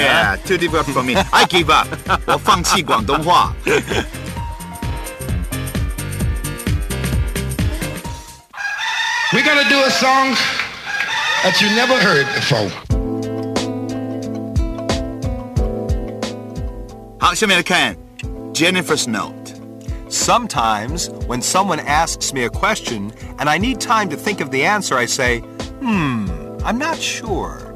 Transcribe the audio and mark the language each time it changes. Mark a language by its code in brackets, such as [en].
[en] Yeah, too difficult for me. I give up. [zh] 我放弃广东话。 [en] We're gonna do a song that you never heard before. [zh] 好，下面来看 [en] Jennifer's note. Sometimes when someone asks me a question and I need time to think of the answer, I say, I'm not sure.